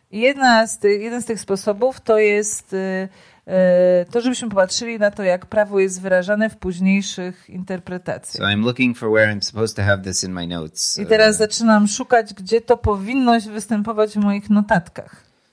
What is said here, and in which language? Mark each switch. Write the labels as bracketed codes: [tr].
[pl] Jeden z tych sposobów to jest to, żebyśmy popatrzyli na to, jak prawo jest wyrażane w późniejszych interpretacjach. [en] So I'm looking for where I'm supposed to have this in my notes. [pl] I teraz zaczynam szukać, gdzie to powinno się występować w moich notatkach.